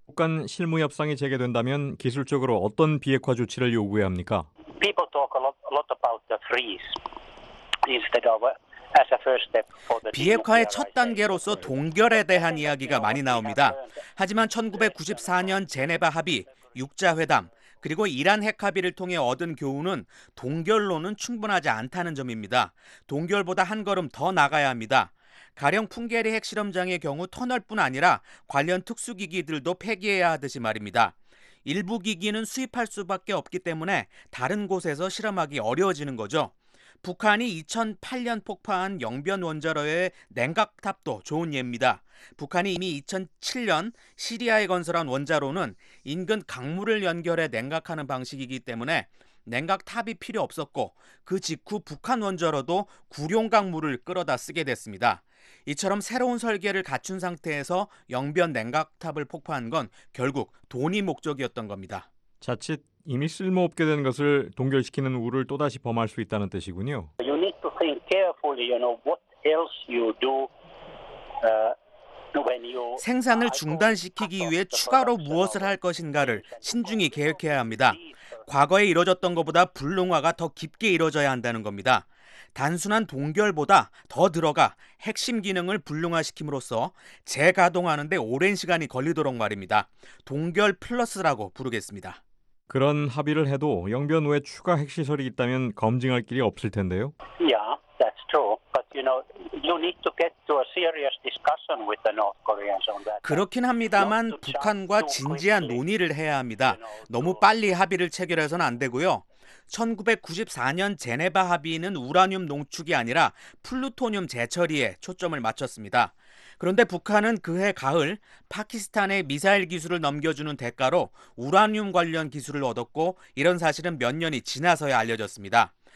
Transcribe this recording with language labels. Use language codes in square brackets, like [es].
[ko] 북 간 실무 협상이 재개된다면 기술적으로 어떤 비핵화 조치를 요구해야 합니까? [en] People talk a lot about the freeze instead of... [ko] 비핵화의 첫 단계로서 동결에 대한 이야기가 많이 나옵니다. 하지만 1994년 제네바 합의, 6자회담, 그리고 이란 핵합의를 통해 얻은 교훈은 동결로는 충분하지 않다는 점입니다. 동결보다 한 걸음 더 나가야 합니다. 가령 풍계리 핵실험장의 경우 터널뿐 아니라 관련 특수기기들도 폐기해야 하듯이 말입니다. 일부 기기는 수입할 수밖에 없기 때문에 다른 곳에서 실험하기 어려워지는 거죠. 북한이 2008년 폭파한 영변 원자로의 냉각탑도 좋은 예입니다. 북한이 이미 2007년 시리아에 건설한 원자로는 인근 강물을 연결해 냉각하는 방식이기 때문에 냉각탑이 필요 없었고 그 직후 북한 원자로도 구룡강물을 끌어다 쓰게 됐습니다. 이처럼 새로운 설계를 갖춘 상태에서 영변 냉각탑을 폭파한 건 결국 돈이 목적이었던 겁니다. 자칫 이미 쓸모없게 된 것을 동결시키는 우를 또다시 범할 수 있다는 뜻이군요. [en] You need to think carefully, you know, what else you do when you [ko] 생산을 중단시키기 위해 추가로 무엇을 할 것인가를 신중히 계획해야 합니다. 과거에 이루어졌던 것보다 불능화가 더 깊게 이루어져야 한다는 겁니다. 단순한 동결보다 더 들어가 핵심 기능을 불능화시킴으로써 재가동하는 데 오랜 시간이 걸리도록 말입니다. 동결 플러스라고 부르겠습니다. 그런 합의를 해도 영변 외 추가 핵시설이 있다면 검증할 길이 없을 텐데요. [en] Yeah, that's true. But you know, you need to get to a serious discussion with the North Koreans on that. [ko] 그렇긴 합니다만 북한과 진지한 논의를 해야 합니다. 너무 빨리 합의를 체결해서는 안 되고요. 1994년 제네바 합의는 우라늄 농축이 아니라 플루토늄 재처리에 초점을 맞췄습니다. 그런데 북한은 그해 가을 파키스탄에 미사일 기술을 넘겨주는 대가로 우라늄 관련 기술을 얻었고 이런 사실은 몇 년이 지나서야 알려졌습니다.